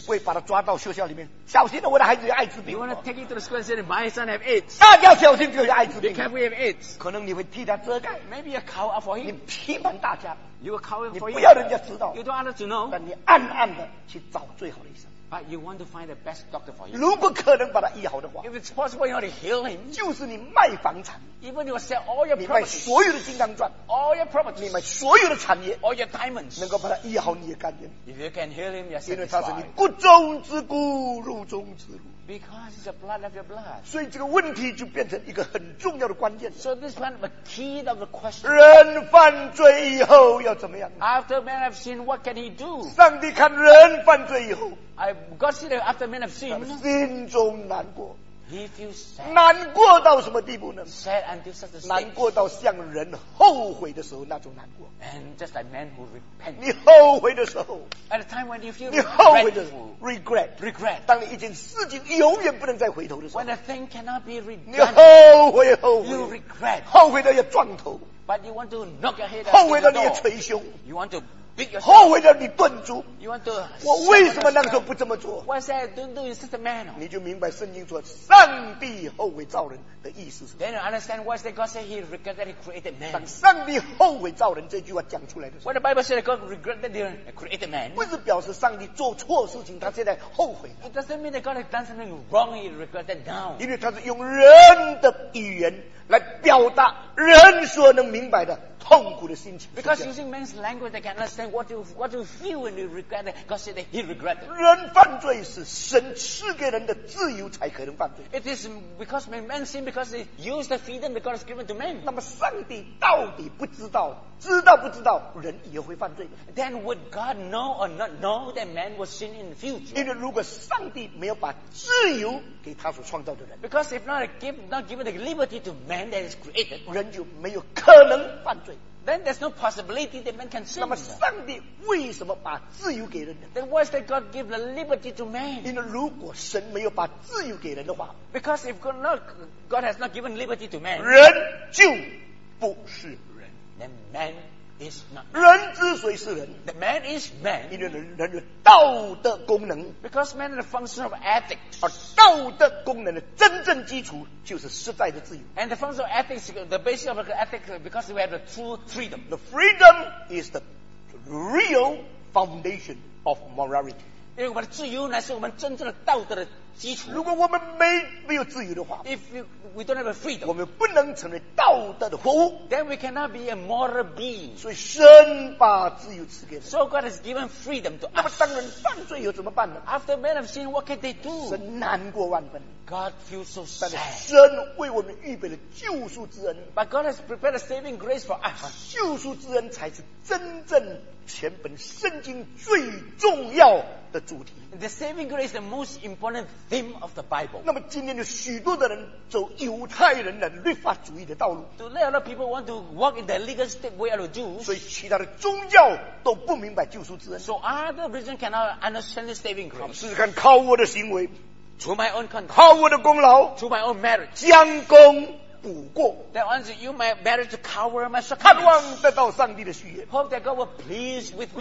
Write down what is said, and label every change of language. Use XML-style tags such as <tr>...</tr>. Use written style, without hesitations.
<zh>你不会把他抓到学校里面，小心的，我的孩子有艾滋病。</zh> <en>You want to take him to the school and say that my son have AIDS.</en> <zh>大家小心，就有艾滋病。</zh> <en>Because we have AIDS.</en> <zh>可能你会替他遮盖。</zh> <en>Maybe you cover up for him.</en> <zh>你批判大家。</zh> <en>You will cover up for him.</en> <zh>你不要人家知道。</zh> <en>You don't want to know.</en> <zh>但你暗暗的去找最好的医生。</zh> <en>But you want to find the best doctor for him.</en> <zh>如果可能把他医好的话。</zh> <en>If it's possible, you want to heal him.</en> <zh>就是你卖房产。</zh> <en>Even you sell all your property.</en> <zh>你卖所有的金刚钻。</zh> <en>All your property.</en> <zh>你卖所有的产业。</zh> <en>All your diamonds.</en> <zh>能够把他医好，你也甘愿。</zh> <en>If you can heal him, you're</en> <zh>satisfied. 因为他是你骨中之骨，肉中之肉。</zh> <en>Because it's the blood of your blood.</en> <zh>所以这个问题就变成一个很重要的关键。</zh> <en>So this one, the key of the question.</en> <zh>人犯罪以后要怎么样？</zh> <en>After man have sinned, what can he do?</en> <zh>上帝看人犯罪以后。</zh> <en>God said after men have sinned,</en> <zh>心中难过。难过到什么地步呢？</zh> <en>Sad until such a stage,</en> <zh>难过到像人后悔的时候那种难过。</zh> <en>And just like man who repent,</en> <zh>你后悔的时候，</zh> <en>at a time when you feel</en> <zh>你后悔的时候， regret,</zh> <en>regret,</en> <zh>当你一件事情永远不能再回头的时候，</zh> <en>when a thing cannot be redone,</en> <zh>你后悔后悔，</zh> <en>you regret,</en> <zh>后悔到要撞头，</zh> <en>but you want to knock your head,</en> <zh>后悔到你要捶胸，</zh> <en>you want to beat yourself,</en> <zh>后悔到你顿足，</zh> <en>you want to,</en> <zh>我为什么那个时候不这么做？</zh> <en>Why say don't do in such a manner?</en> <zh>你就明白圣经说上帝后悔造人的意思是什么。</zh> <en>Then you understand why God said he regret that he created man.</en> <zh>当上帝后悔造人这句话讲出来的时候，</zh> <en>When the Bible said God regret that he created man,</en> <zh>不是表示上帝做错事情他现在后悔</zh> <en>了。It doesn't mean that God has done something wrong, he regret that now.</en> <zh>因为他是用人的语言来表达人所能明白的痛苦的心情。</zh> <en>Because using man's language, they can understand what you feel when you regret it. God said that he regretted.</en> <zh>人犯罪是神赐给人的自由才可能犯罪。</zh> <en>It is because man sin because he used the freedom that God has given to man.</en> <zh>那么上帝到底不知道，知道不知道，人也会犯罪。</zh> <en>Then would God know or not know that man was sin in the future?</en> <zh>因为如果上帝没有把自由给他所创造的人</zh> <en>，Because if not given the liberty to man that is created,</en> <zh>人就没有可能犯罪。</zh> <en>Then there's no possibility that man can sin.</en> <zh>那么上帝为什么把自由给人呢？</zh> <en>Then why did God give the liberty to man?</en> <zh>因为如果神没有把自由给人的话</zh> <en>，Because if God has not given liberty to man,</en> <zh>人就不是人。</zh> <en>Then man is not.</en> <zh>人之所以是人</zh> <en>，the man is man.</en> <zh>因为人有道德功能</zh> <en>，Because man has a function of ethics.</en> <zh>而道德功能的真正基础就是实在的自由。</zh> <en>And the function of ethics, the basis of ethics, because we have the true freedom. The freedom is the real foundation of morality.</en> <zh>因为我们的自由乃是我们真正的道德的基础。如果我们没有自由的话</zh> <en>，If we don't have a freedom,</en> <zh>我们不能成为道德的活物。</zh> <en>Then we cannot be a moral being.</en> <zh>所以神把自由赐给人。</zh> <en>So God has given freedom to us.</en> <zh>那么当人犯罪以后怎么办呢</zh> <en>？After men have sinned, what can they do?</en> <zh>神难过万分。</zh> <en>God feels so sad.</en> <zh>但是神为我们预备了救赎之恩。</zh> <en>But God has prepared a saving grace for us.</en> <zh>救赎之恩才是真正全本圣经最重要的主题。</zh> <en>The saving grace is the most important theme of the Bible.</en> <zh>那么今天有许多的人走犹太人的律法主义的道路。</zh> <en>So a lot of people want to walk in the legalistic way of the Jews.</en> <zh>所以其他的宗教都不明白救赎之恩。</zh> <en>So other religions cannot understand the saving grace.</en> <zh>试试看靠我的行为。</zh> <en>To my own conduct.</en> <zh>靠我的功劳。</zh> <en>To my own merit.</en> <zh>将功补过。</zh> <en>That means you might better to cover my shortcomings.</en> <zh>盼望得到上帝的喜悦。</zh> <en>Hope that God will please with me.</en>